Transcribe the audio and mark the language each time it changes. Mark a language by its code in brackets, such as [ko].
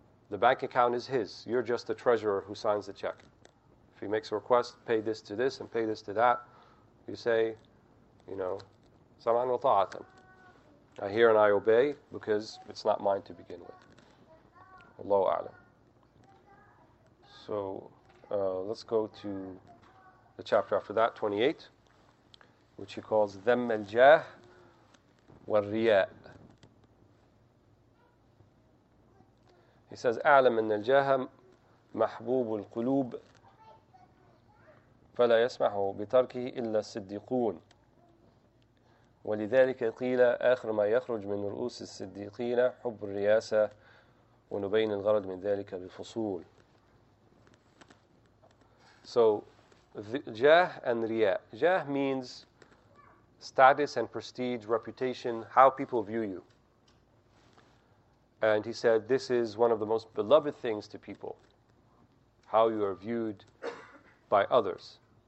[en] The bank account is His. You're just the treasurer who signs the check. If He makes a request, pay this to this and pay this to that, you say, you know, [ar] sama'an wa ta'atan. [en] I hear and I obey because it's not mine to begin with. Allahu A'lam. So let's go to the chapter after that, 28, which he calls Dhamm al-Jah wal-Riya'. He says, [ar] أَعْلَمْ أَنَّ الْجَاهَ مَحْبُوبُ الْقُلُوبِ فَلَا يَسْمَحُ بِتَرْكِهِ إِلَّا الصِّدِّيقُونَ وَلِذَلِكَ قِيلَ آخر ما يخرج من رؤوس الصديقين حب الرياسة ونبين الغرض من ذلك بفصول. [en] So, jah and riya. Jah means status and prestige, reputation, how people view you. And he said, this is one of the most beloved things to people, how you are viewed by others.